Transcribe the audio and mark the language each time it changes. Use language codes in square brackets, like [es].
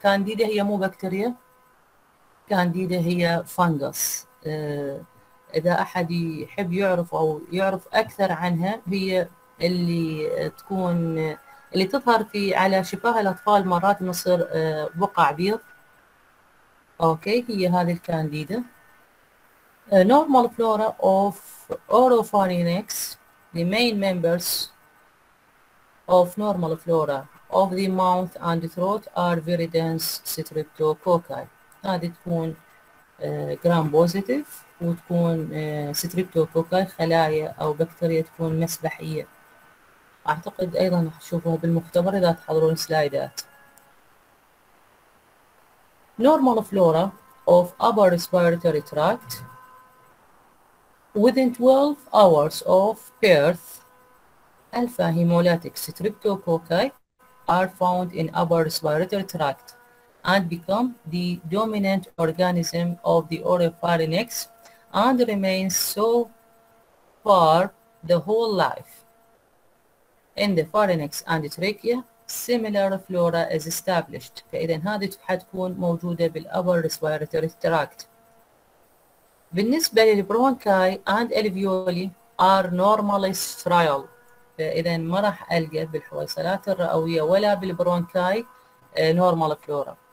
[ar] Candida هي مو بكتيريا، Candida هي fungus. إذا أحد يحب يعرف أو يعرف أكثر عنها هي اللي تكون اللي تظهر في على شفاه الأطفال مرات مصير بقع بيض. أوكي هي هذه الكانديدا. [en] normal flora of oropharynx the main members of normal flora of the mouth and throat are very dense streptococci. [ar] هذه تكون gram positive وتكون streptococci خلايا أو بكتيريا تكون مسبحية. أعتقد أيضاً راح تشوفوها بالمختبر إذا تحضرون سلايدات. [en] normal flora of upper respiratory tract within 12 hours of birth, alpha hemolytic streptococci are found in upper respiratory tract and become the dominant organism of the oropharynx and remain so for the whole life. In the pharynx and the trachea, similar flora is established. [ar] فإذا هذه حتكون موجودة بال upper respiratory tract. بالنسبة للبرونكاي [en] and alveoli are normally sterile. [ar] فإذا ما راح ألقى بالحويصلات الرئوية ولا بالبرونكاي normal flora.